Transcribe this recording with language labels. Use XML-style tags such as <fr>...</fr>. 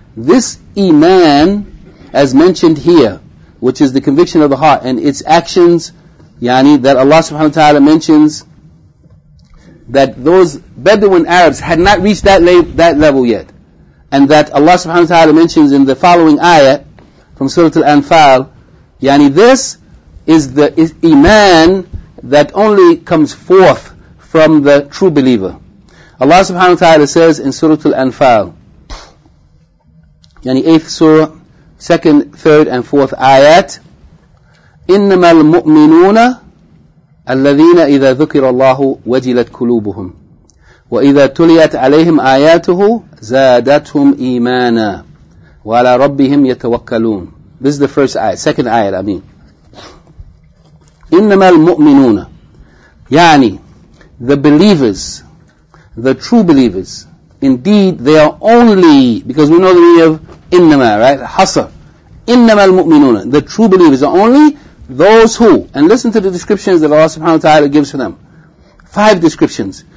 <en>This iman, as mentioned here, which is the conviction of the heart and its actions, yani, that Allah subhanahu wa ta'ala mentions that those Bedouin Arabs had not reached that level yet. And that Allah subhanahu wa ta'ala mentions in the following ayah from Surah Al-Anfal, yani this is the iman that only comes forth from the true believer.</en> <ar>Allah subhanahu wa ta'ala</ar> <en>says in Surah Al-Anfal, yani 8th surah, 2nd, 3rd and 4th ayat,</en> <ar>إِنَّمَا الْمُؤْمِنُونَ الَّذِينَ إِذَا ذُكِرَ اللَّهُ وَجِلَتْ كُلُوبُهُمْ وَإِذَا تُلِيَتْ عَلَيْهِمْ آيَاتُهُ زَادَتْهُمْ إِيمَانًا وَعَلَى رَبِّهِمْ يَتَوَكَّلُونَ.</ar> <en>This is the first ayah, second ayah, I mean.</en> <ar>إِنَّمَا الْمُؤْمِنُونَ,</ar> <en>yani, the believers, the true believers, indeed, they are only, because we know the meaning of إِنَّمَا, right?</en> <ar>حَصَر. إِنَّمَا الْمُؤْمِنُونَ,</ar> <en>the true believers are only those who, and listen to the descriptions that Allah subhanahu wa ta'ala gives for them. Five descriptions.</en>